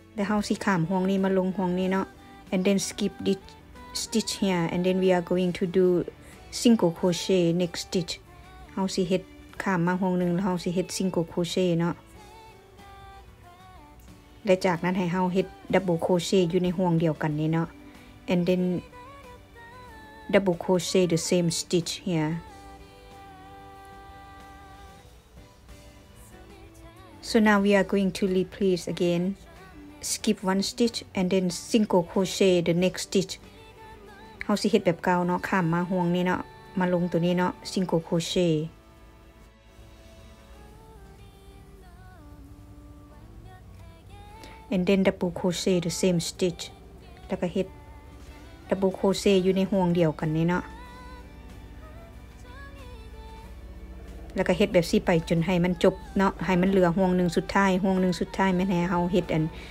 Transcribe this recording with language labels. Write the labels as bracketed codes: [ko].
[tts] เฮาสิข้ามห่วงนี้มาลงห่วงนี้เนาะ [en] and then skip this stitch here and then we are going to do single crochet next stitch [tts] เฮาสิเฮ็ดข้ามมาห่วงนึงแล้วเฮาสิเฮ็ด single crochet เนาะและจากนั้นให้เฮาเฮ็ด double crochet อยู่ในห่วงเดียวกันนี้เนาะ [en] and then double crochet the same stitch hereSo now we are going to replace again. Skip one stitch and then single crochet the next stitch. [tts] เราสิเฮ็ดแบบเก่าเนาะข้ามมาห่วงนี้เนาะมาลงตัวนี้เนาะ single crochet. [en] And then double crochet the same stitch. [tts] แล้วก็เฮ็ด double crochet อยู่ในห่วงเดียวกันนี้เนาะแล้วก็เฮ็ดแบบซี่ไปจนให้มันจบเนาะให้มันเหลือห่วงหนึ่งสุดท้ายห่วงหนึ่งสุดท้ายแม่แน่เฮาเฮ็ดอัน